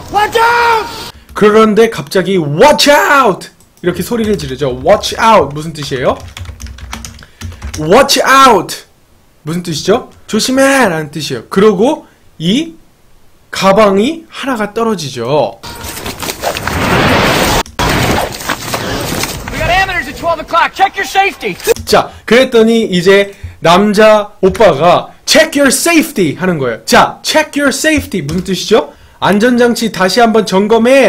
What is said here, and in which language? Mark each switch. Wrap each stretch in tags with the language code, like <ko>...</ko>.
<en>Watch out!</en> <ko>그런데 갑자기,</ko> <en>Watch out!</en> <ko>이렇게 소리를 지르죠.</ko> <en>Watch out!</en> <ko>무슨 뜻이에요? Watch out! 무슨 뜻이죠? 조심해! 라는 뜻이에요. 그러고 이 가방이 하나가 떨어지죠.</ko> <en>We got amateurs at 12 o'clock. Check your safety.</en> <ko>자, 그랬더니 이제 남자 오빠가</ko> <en>Check your safety!</en> <ko>하는 거예요. 자,</ko> <en>Check your safety!</en> <ko>무슨 뜻이죠? 안전장치 다시 한번 점검해!</ko>